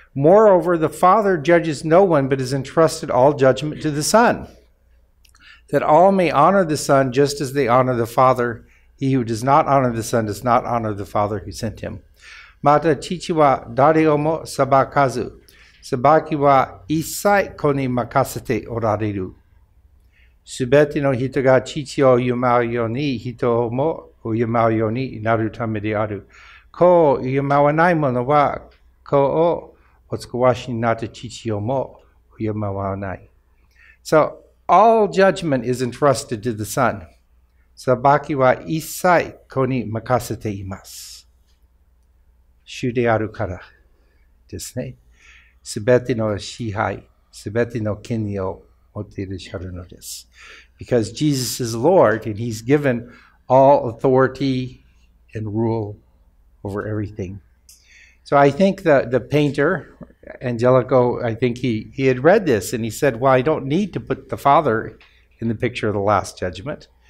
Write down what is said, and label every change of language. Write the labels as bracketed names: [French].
[English] Moreover, the Father judges no one, but has entrusted all judgment to the Son, that all may honor the Son just as they honor the Father. He who does not honor the Son does not honor the Father who sent him. [Japanese] また父は誰をも裁かず、裁きは一切子に任せておられる。すべての人が父を敬うように、人をも敬うようになるためである。子を敬わない者は子をお使わしになった父をも敬わない。 [English] So, all judgment is entrusted to the Son. [Japanese] 裁きは一切子に任せています。主であるからですね。すべての支配、すべての権利を持っていらっしゃるのです。 [English] Because Jesus is Lord and He's given all authority and rule. Over everything. So I think the painter, Angelico, I think he had read this and he said, well, I don't need to put the Father in the picture of the Last Judgment.